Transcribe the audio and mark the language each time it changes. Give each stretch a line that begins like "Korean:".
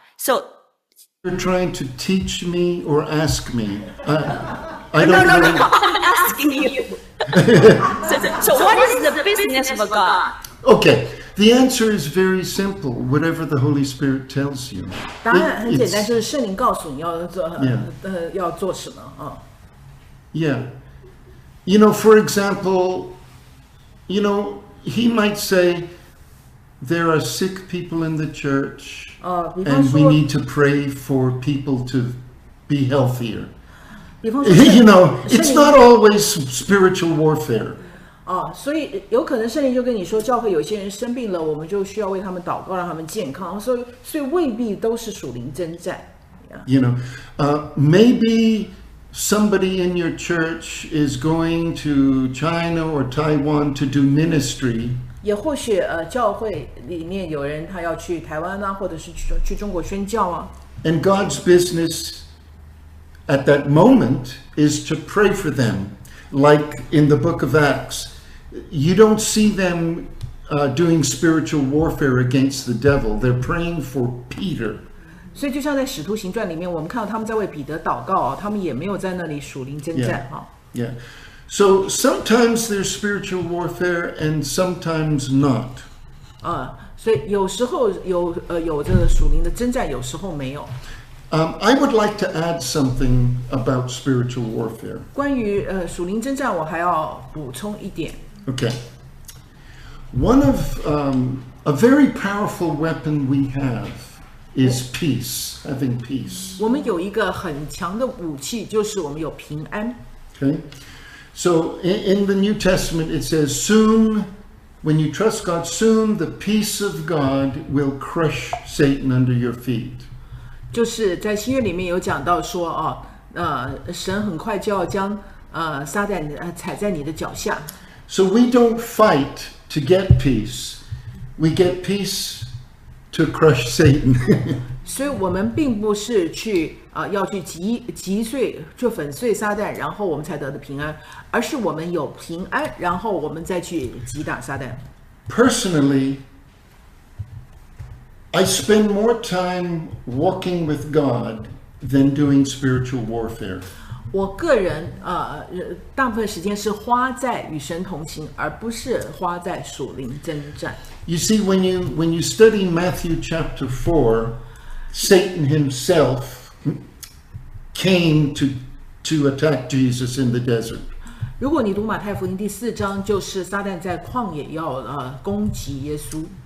English: So, You're trying to teach me or ask me? No, I'm asking you. So what is the business of a God? Okay, the answer is very simple, whatever the Holy Spirit tells you.
Chinese: 当然很简单，就是圣灵告诉你要做，要做什么啊。Yeah.
English: You know, for example, you know, he might say,There are sick people in the church, and we need to pray for people to be healthier. You know, it's not always spiritual warfare. Ah, so you can say, you can say, you can say, you can say, you can say, you can say, you can say, you can say, you can say, you can say, you can say, you can say, you can say, you know, maybe somebody in your church is going to China or Taiwan to do ministry.
Chinese: 也或许教会里面有人他要去台湾啊或者是 去中国宣教啊。
English: And God's business at that moment is to pray for them, like in the book of Acts. You don't see them doing spiritual warfare against the devil. They're praying for Peter.
Chinese: 所以就像在使徒行传里面我们看到他们在为彼得祷告，他们也没有在那里属灵征战。
English: So sometimes there's spiritual warfare and sometimes not.
Chinese: 所以有时候有这个属灵的征战，有时候没有。
English: I would like to add something about spiritual warfare.
Chinese: 关于属灵征战，我还要补充一点。
English: Okay. One of a very powerful weapon we have is peace, having peace.
Chinese: 我们有一个很强的武器，就是我们有平安。
English: Okay. So in the New Testament, it says, soon, when you trust God, soon the peace of God will crush Satan under your feet.
Chinese: 就是在新约里面有讲到说，神很快就要将撒旦踩在你的脚下。
English: So we don't fight to get peace. We get peace to crush Satan.
Chinese: 所以我们并不是去要去击碎就粉碎撒旦然后我们才得的平安，而是我们有平安然后我们再去击打撒旦。
English: Personally, I spend more time walking with God than doing spiritual warfare.
Chinese: 我个人大部分时间是花在与神同行，而不是花在属灵征战。
English: You see, when you study Matthew chapter 4, Satan himselfcame to attack Jesus in the desert.
Chinese: 如果你读马太福音第四章，就是撒旦在旷野要攻击耶稣。